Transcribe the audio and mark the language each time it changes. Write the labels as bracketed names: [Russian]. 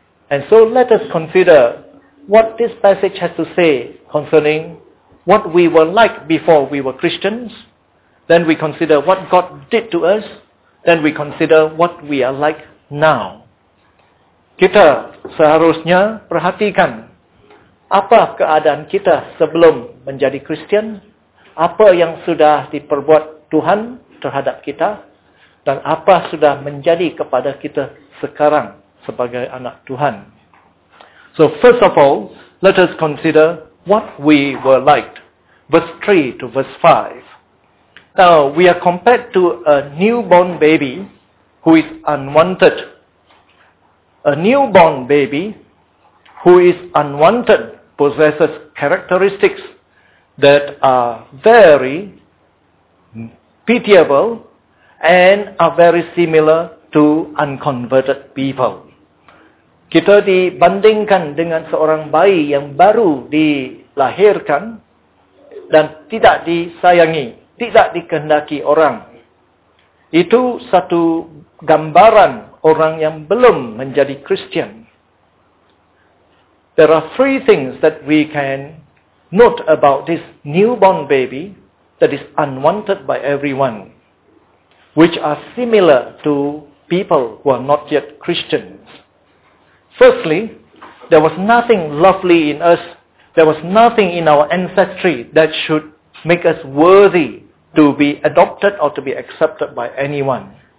[English] And so let us consider what this passage has to say concerning what we were like before we were Christians. Then we consider what God did to us. Then we consider what we are like now. [Malay] Kita seharusnya perhatikan apa keadaan kita sebelum menjadi Kristian, apa yang sudah diperbuat Tuhan terhadap kita, dan apa sudah menjadi kepada kita sekarang sebagai anak Tuhan. [English] So first of all, let us consider what we were like, verse 3 to verse 5. Now, we are compared to a newborn baby who is unwanted. A newborn baby who is unwanted possesses characteristics that are very pitiable and are very similar to unconverted people. [Malay] Kita dibandingkan dengan seorang bayi yang baru dilahirkan dan tidak disayangi, tidak dikehendaki orang. Itu satu gambaran orang yang belum menjadi Christian. [English] There are three things that we can note about this newborn baby that is unwanted by everyone, which are similar to people who are not yet Christians. Firstly, there was nothing lovely in us. There was nothing in our ancestry that should make us worthy to be adopted or to be accepted by anyone.